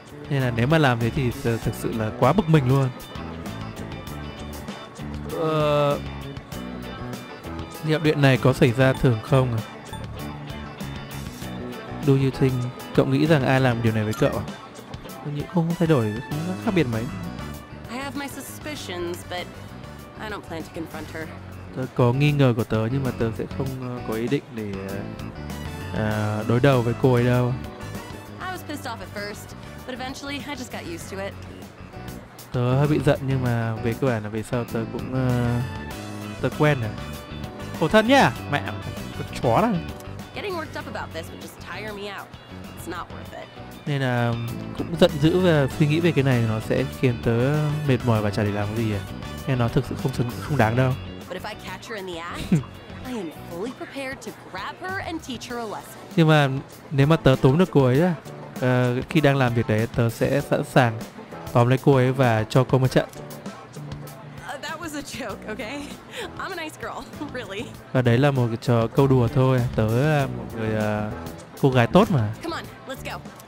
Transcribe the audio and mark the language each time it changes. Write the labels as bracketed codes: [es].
[vi] Nên là nếu mà làm thế thì thực sự là quá bực mình luôn. Nhiệm điện này có xảy ra thường không à? [en] Do you think [vi] cậu nghĩ rằng ai làm điều này với cậu à? Tôi nghĩ không thay đổi, không khác biệt mấy. [en] I have my suspicions, but I don't plan to confront her. [vi] Tớ có nghi ngờ của tớ nhưng mà tớ sẽ không có ý định để đối đầu với cô ấy đâu. [en] I was pissed off at first, but eventually I just got used to it. [vi] Tớ hơi bị giận nhưng mà về cơ bản là về sau tớ cũng tớ quen rồi. Khổ thân nhá, mẹ con chó này. [en] Getting worked up about this would just tire me out. It's not worth it. [vi] Nên là cũng giận dữ và suy nghĩ về cái này nó sẽ khiến tớ mệt mỏi và chả để làm cái gì. Nên nó thực sự không đáng đâu. [en] But if I catch her in the act, I am fully prepared to grab her and teach her a lesson. [vi] Nhưng mà nếu mà tớ tóm được cô ấy, khi đang làm việc đấy, tớ sẽ sẵn sàng tóm lấy cô ấy và cho cô một trận. [en] That was a joke, okay? I'm a nice girl, really. [vi] Và đấy là một cái trò câu đùa thôi. Tớ là một người cô gái tốt mà. [en] Come on, let's go.